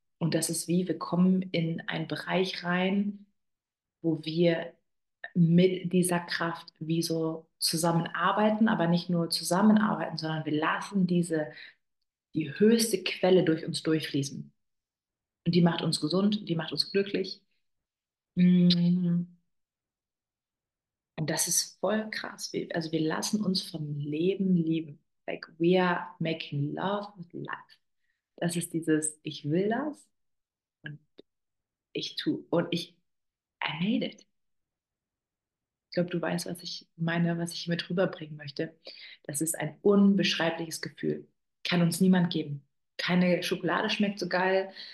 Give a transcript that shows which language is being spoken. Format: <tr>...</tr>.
<de>Und das ist wie, wir kommen in einen Bereich rein, wo wir mit dieser Kraft wie so zusammenarbeiten, aber nicht nur zusammenarbeiten, sondern wir lassen diese, die höchste Quelle durch uns durchfließen. Und die macht uns gesund, die macht uns glücklich. Und das ist voll krass. Also wir lassen uns vom Leben lieben.</de> <en>Like we are making love with life.</en> <de>Das ist dieses, ich will das und ich tue und ich</de> <en>I made it.</en> <de>Ich glaube, du weißt, was ich meine, was ich hier mit rüberbringen möchte. Das ist ein unbeschreibliches Gefühl. Kann uns niemand geben. Keine Schokolade schmeckt so geil.</de>